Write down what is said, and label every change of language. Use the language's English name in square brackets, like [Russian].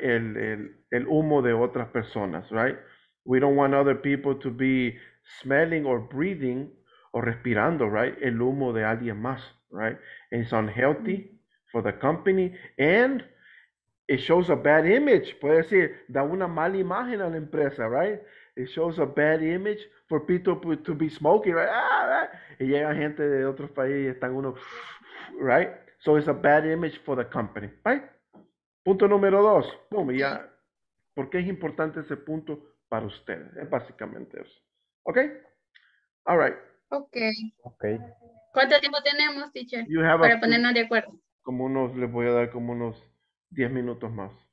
[Spanish] El humo de otras personas, [English] right? We don't want other people to be smelling or breathing or respirando, right? [Spanish] El humo de alguien más, [English] right? And it's unhealthy for the company and it shows a bad image. [Spanish] Puede decir, da una mala imagen a la empresa, [English] right? It shows a bad image for people to be smoking, right? Ah, right? [Spanish] Y llega gente de otros países y están uno, right? [English] So it's a bad image for the company, right? [Spanish] Punto número dos. Boom, ya. ¿Por qué es importante ese punto para ustedes? Es básicamente eso. ¿Ok? All right. Ok. Ok. ¿Cuánto tiempo tenemos, teacher? [English] You have [Spanish] para ponernos de acuerdo. Como unos, les voy a dar como unos 10 minutos más.